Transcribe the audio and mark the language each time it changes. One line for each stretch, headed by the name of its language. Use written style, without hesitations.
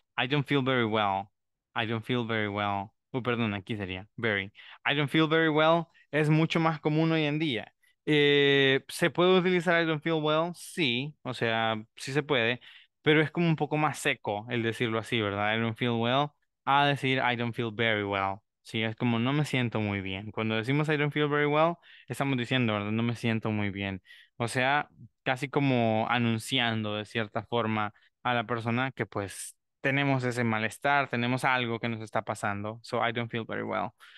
English: I don't feel very well. I don't feel very well.
Spanish: Perdón, aquí sería
English: very. I don't feel very well
Spanish: es mucho más común hoy en día. ¿Se puede utilizar
English: I don't feel well?
Spanish: Sí, o sea, sí se puede, pero es como un poco más seco el decirlo así, ¿verdad?
English: I don't feel well
Spanish: a decir
English: I don't feel very well.
Spanish: Sí, es como no me siento muy bien. Cuando decimos
English: I don't feel very well,
Spanish: estamos diciendo, ¿verdad?, no me siento muy bien. O sea, casi como anunciando de cierta forma a la persona que pues tenemos ese malestar, tenemos algo que nos está pasando.
English: So I don't feel very well.